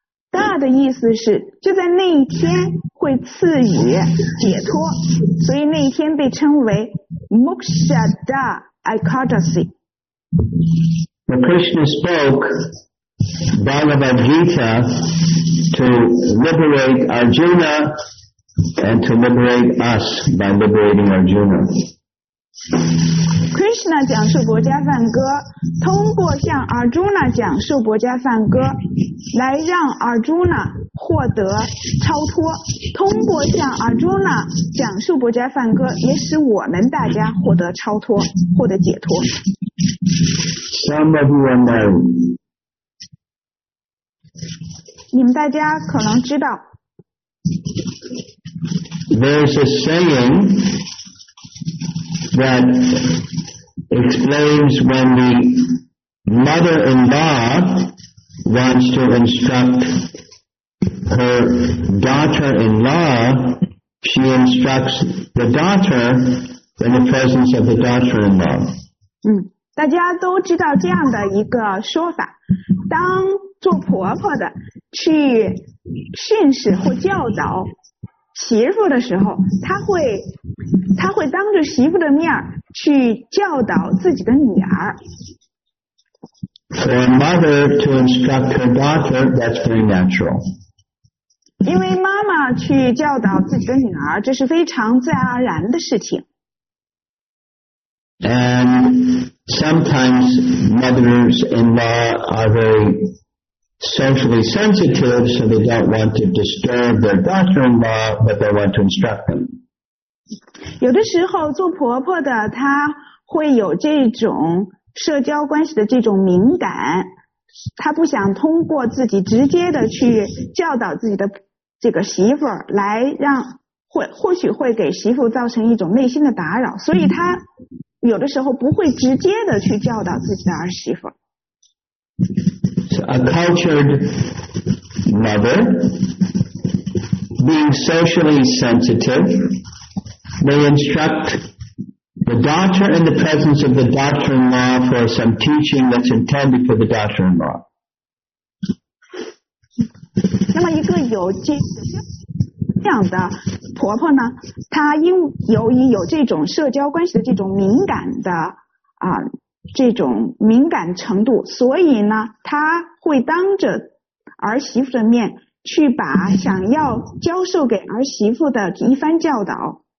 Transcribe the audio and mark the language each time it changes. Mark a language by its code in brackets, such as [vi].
[zh] Da 的意思是就在那一天会赐予解脱，所以那一天被称为。 [sa] Moksha da Ekadasi. [en] When Krishna spoke Bhagavad Gita to liberate Arjuna and to liberate us by liberating Arjuna. [zh] Krishna 讲述薄伽梵歌，通过向 Arjuna 讲述薄伽梵歌，来让 Arjuna 获得超脱。通过向 Arjuna 讲述薄伽梵歌，也使我们大家获得超脱，获得解脱。 [en] Some of you are known. [zh] 你们大家可能知道。 [en] There's a saying. That explains when the mother-in-law wants to instruct her daughter-in-law, she instructs the daughter in the presence of the daughter-in-law. [zh] 嗯，大家都知道这样的一个说法，当做婆婆的去训示或教导媳妇的时候，她会当着媳妇的面去教导自己的女儿。 [en] For a mother to instruct her daughter, that's very natural. [zh] 因为妈妈去教导自己的女儿，这是非常自然而然的事情。 [en] And sometimes mothers-in-law are very socially sensitive, so they don't want to disturb their daughter-in-law, but they want to instruct them. [zh] 有的时候做婆婆的她会有这种社交关系的这种敏感，她不想通过自己直接的去教导自己的这个媳妇来让或许会给媳妇造成一种内心的打扰，所以她有的时候不会直接的去教导自己的儿媳妇。 [en] So a cultured mother being socially sensitive,They instruct the daughter in the presence of the daughter-in-law for some teaching that's intended for the daughter-in-law. [zh] 那么一个有这样的婆婆呢，她由于有这种社交关系的这种敏感的这种敏感程度，所以呢，她会当着儿媳妇的面去把想要教授给儿媳妇的一番教导。